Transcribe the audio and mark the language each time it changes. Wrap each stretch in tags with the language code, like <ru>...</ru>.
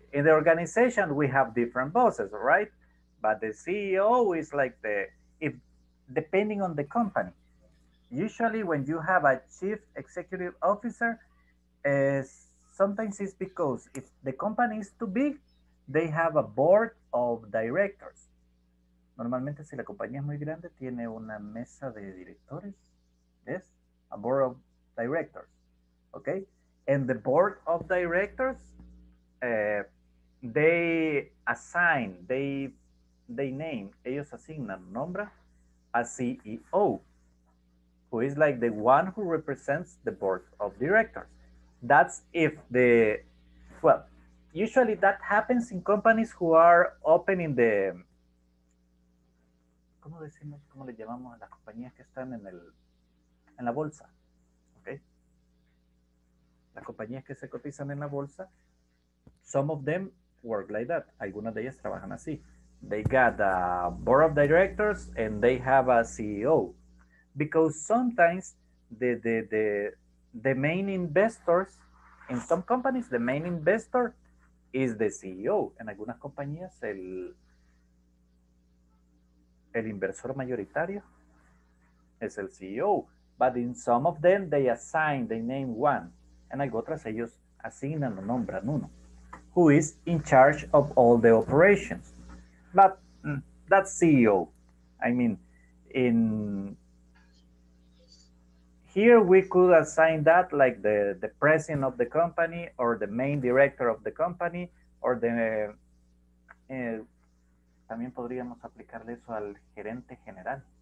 <en>In the organization, we have different bosses, right? But the CEO is like the, if depending on the company. Usually when you have a chief executive officer, sometimes it's because if the company is too big, they have a board of directors.</en> <es>Normalmente si la compañía es muy grande, tiene una mesa de directores.</es> <en>Yes, a board of directors, okay? And the board of directors, they assign, they name,</en> <es>ellos asignan, nombra,</es> <en>a CEO, who is like the one who represents the board of directors. That's if the, well, usually that happens in companies who are opening the,</en> <es>¿cómo decimos, cómo le llamamos a las compañías que están en el, en la bolsa?</es> <en>Okay.</en> <es>Las compañías que se cotizan en la bolsa,</es> <en>some of them work like that.</en> <es>Algunas de ellas trabajan así.</es> <en>They got a board of directors and they have a CEO. Because sometimes the main investors, in some companies, the main investor is the CEO.</en> <es>En algunas compañías, el inversor mayoritario es el CEO.</es> <en>But in some of them, they assign, they name one.</en> <es>En otras, ellos asignan o nombran uno,</es> <en>who is in charge of all the operations. But that's CEO. I mean, in here we could assign that like the president of the company or the main director of the company or the</en> <es>también podríamos aplicarle eso al gerente general.</es>